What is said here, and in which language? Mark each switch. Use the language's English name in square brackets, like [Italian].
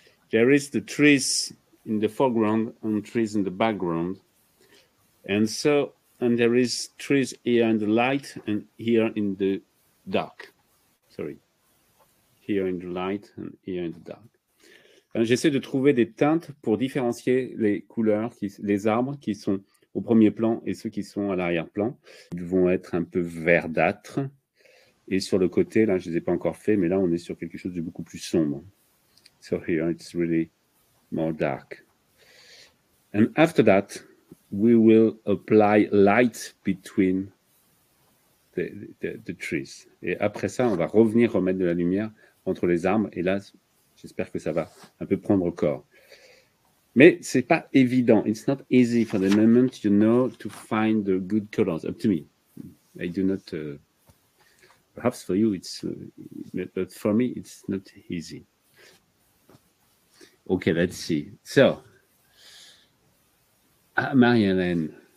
[English] There is the trees in the foreground and trees in the background, and there is trees here in the light and here in the dark. Sorry, here in the light and here in the dark. [French] Alors, j'essaie de trouver des teintes pour différencier les couleurs, les arbres qui sont au premier plan et ceux qui sont à l'arrière-plan. Ils vont être un peu verdâtres. Et sur le côté, là, je ne les ai pas encore fait, mais là, on est sur quelque chose de beaucoup plus sombre. [English] So here, it's really more dark. And after that, we will apply light between the trees. [French] Et après ça, on va revenir remettre de la lumière entre les arbres. Et là, j'espère que ça va un peu prendre corps. Mais c'est pas évident. [English] It's not easy for the moment, you know, to find the good colors. Up to me. I do not, perhaps for you, it's, but for me, it's not easy. Okay, let's see. So, Marie-Hélène.